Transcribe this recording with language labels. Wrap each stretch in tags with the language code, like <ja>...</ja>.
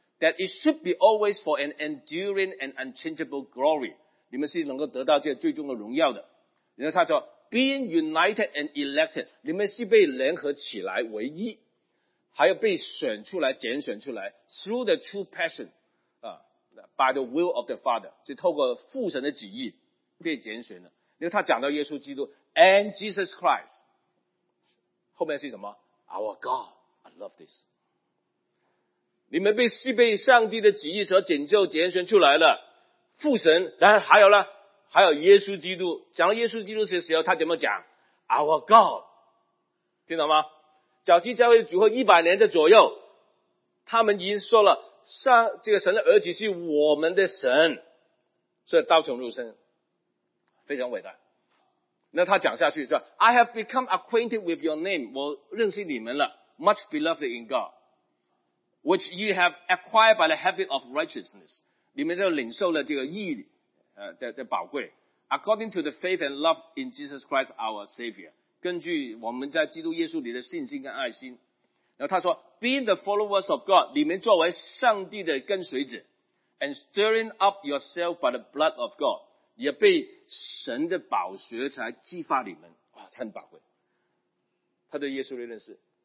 <en>That it should be always for an enduring and unchangeable glory.</en> <zh>你们是能够得到这最终的荣耀的。然后他说 ,</zh> <en>being united and elected,</en> <zh>你们是被联合起来为一，还有被选出来拣选出来 ,</zh> <en>through the true passion,by the will of the Father,</en> <zh>是透过父神的旨意被拣选的。然后他讲到耶稣基督 ,</zh> <en>and Jesus Christ,</en> <zh>后面是什么 ?</zh> <en>Our God, I love this.</en> <zh>你们被上帝的旨意所拯救拣选出来了，父神，然后还有呢，还有耶稣基督。讲到耶稣基督的时候，他怎么讲 ？</zh> <en>Our God，</en> <zh>听懂吗？早期教会主后100年的左右，他们已经说了，上这个神的儿子是我们的神，所以道成肉身，非常伟大。那他讲下去说</zh> <en>，I have become acquainted with your name，</en> <zh>我认识你们了</zh> <en>，much beloved in God。 Which you have acquired by the habit of righteousness.</en> <zh>你们就领受了这个义的宝贵。</zh> <en>According to the faith and love in Jesus Christ our Savior.</en> <zh>根据我们在基督耶稣里的信心跟爱心。然后他说 ,</zh> <en>being the followers of God,</en> <zh>你们作为上帝的跟随者。</zh> <en>And stirring up yourself by the blood of God,</en> <zh>也被神的宝血才激发你们。哇，很宝贵。他对耶稣的认识。</zh>